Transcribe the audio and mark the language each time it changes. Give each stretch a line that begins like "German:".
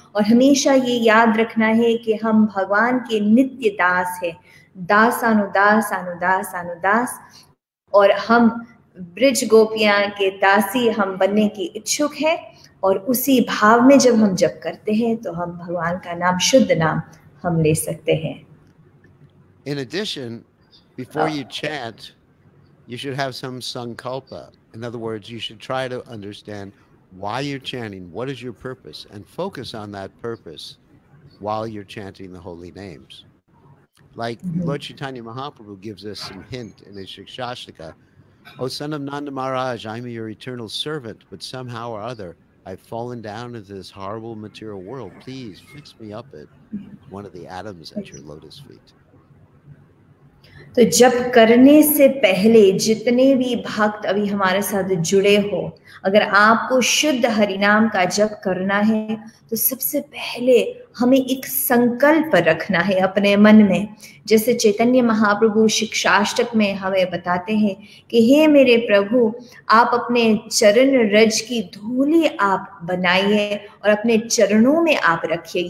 Hindi: और हमेशा ये याद रखना है कि हम भगवान के नित्य दास हैं. दास अनुदास अनुदास अनुदास. और हम ब्रिज गोपियां के दासी हम बनने की इच्छुक है. और उसी भाव में जब हम जप करते हैं, तो हम भगवान का नाम, शुद्ध नाम हम ले सकते हैं.
English: In addition, before you chant, you should have some sankalpa. In other words, you should try to understand why you're chanting, what is your purpose, and focus on that purpose while you're chanting the holy names. Like Lord Chaitanya Mahaprabhu gives us some hint in his Shikshashtaka. O son of Nanda Maharaj, I'm your eternal servant, but somehow or other, I've fallen down into this horrible material world. Please fix me up at one of the atoms at your lotus feet.
Hindi: तो जप करने से पहले जितने भी भक्त अभी हमारे साथ जुड़े हो, अगर आपको शुद्ध हरिनाम का जप करना है तो सबसे पहले हमें एक संकल्प रखना है अपने मन में। जैसे चैतन्य महाप्रभु शिक्षाष्टक में हमें बताते हैं कि हे मेरे प्रभु, आप अपने चरण रज की धूली आप बनाइए और अपने चरणों में आप रखिए।